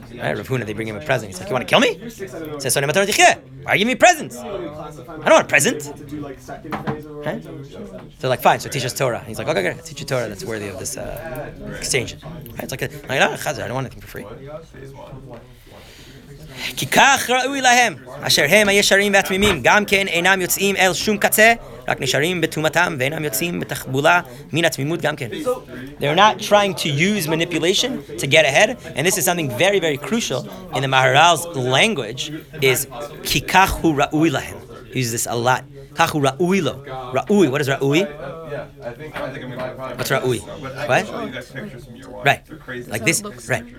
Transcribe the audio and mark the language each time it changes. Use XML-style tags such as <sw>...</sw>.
<en>Right, Rav Huna, they bring him a present. He's like, you want to kill me? He says, so ne matanot yichye. Why give me presents? I don't want a present. Huh? So they're like, fine, so teach us Torah. He's like, okay, I'll teach you Torah that's worthy of this exchange. Right, it's like, I don't want anything for free.</en> <he>כי כך ראוי להם, אשר הם הישרים והתמימים, גם כן אינם יוצאים אל שום קצה, רק נשארים בתומתם, ואינם יוצאים בתחבולה מן התמימות גם כן.</he> <en>They're not trying to use manipulation to get ahead, and this is something very, very crucial in the Maharal's language, is כי כך הוא ראוי להם. He uses this a lot. כך הוא ראוי לו. ראוי, what is ראוי? What's ra'ui? What? Right. Like this. Right.</en>